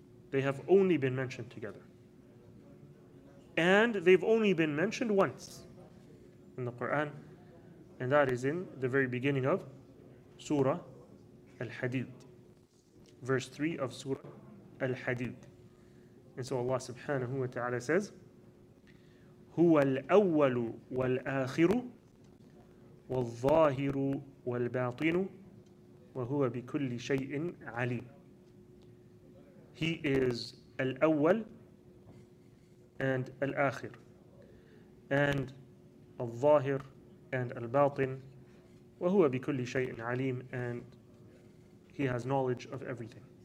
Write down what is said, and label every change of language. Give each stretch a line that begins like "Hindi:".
English: They have only been mentioned together. And they've only been mentioned once in the Quran. And that is in the very beginning of Surah Al-Hadid, verse 3 of Surah Al-Hadid.
Arabic: And so Allah subhanahu wa ta'ala says, هُوَ الْأَوَّلُ وَالْآخِرُ وَالظَّاهِرُ وَالْبَاطِنُ وَهُوَ بِكُلِّ شَيْءٍ عَلِيمٌ.
English: He is Al-Awwal and Al-Akhir, and Al-Zahir and Al-Batin,
Arabic: وَهُوَ بِكُلِّ شَيْءٍ عَلِيمٍ,
English: and he has knowledge of everything.